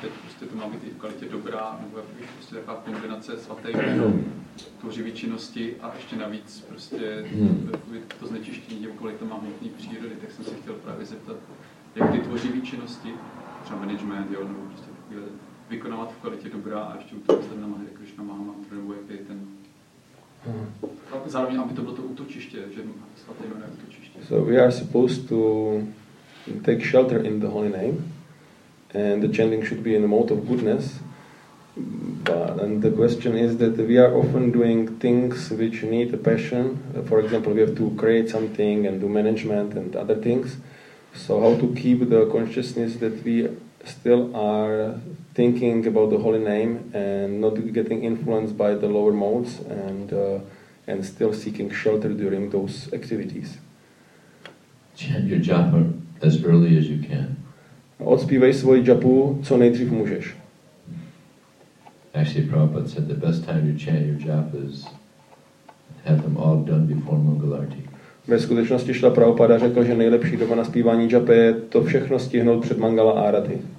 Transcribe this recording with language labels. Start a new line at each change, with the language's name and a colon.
Czech: Teď prostě to má být i v kvalitě dobrá, nebo prostě taková kombinace svaté jméno, tvořivý činnosti a ještě navíc prostě to znečištění, kolik to má hmotný přírody. Tak jsem se chtěl právě zeptat, jak ty tvořivý činnosti, třeba management, jo, nebo prostě takové, vykonávat v kvalitě dobrá a ještě u toho sedna Hare Krishna máma, nebo jak je ten. Zároveň, aby to bylo to útočiště, že svaté jméno je útočiště.
English: So we are supposed to take shelter in the holy name, and the chanting should be in the mode of goodness. But, and the question is that we are often doing things which need a passion. For example, we have to create something and do management and other things. So how to keep the consciousness that we still are thinking about the holy name and not getting influenced by the lower modes and still seeking shelter during those activities. Chant your japa as early as you can.
Czech: Odspívej svoji japu co nejdřív můžeš.
English: Actually, Prabhupada said the best time to chant your japa is have them all done before Mangalarti.
Czech: Ve skutečnosti Šrila Prabhupada řekl, že nejlepší doba na zpívání japa je to všechno stihnout před Mangala Arati.